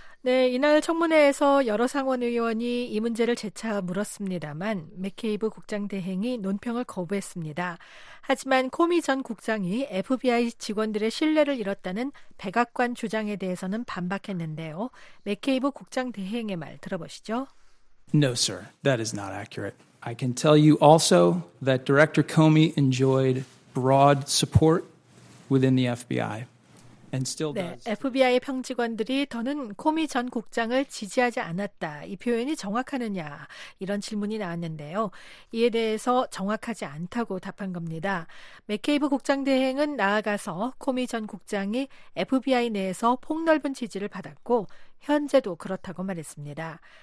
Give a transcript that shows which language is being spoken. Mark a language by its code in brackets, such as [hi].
[ko] 네, 이날 청문회에서 여러 상원 의원이 이 문제를 재차 물었습니다만 맥케이브 국장 대행이 논평을 거부했습니다. 하지만 코미 전 국장이 FBI 직원들의 신뢰를 잃었다는 백악관 주장에 대해서는 반박했는데요. 맥케이브 국장 대행의 말 들어보시죠. [en] No, sir. That is not accurate. I can tell you also that Director Comey enjoyed broad support within the FBI. And still does. [ko] 네, FBI의 평 직원들이 더는 코미 전 국장을 지지하지 않았다. 이 표현이 정확하느냐 이런 질문이 나왔는데요. 이에 대해서 정확하지 않다고 답한 겁니다. 맥케이브 국장 대행은 나아가서 코미 전 국장이 FBI 내에서 폭넓은 지지를 받았고 현재도 그렇다고 말했습니다.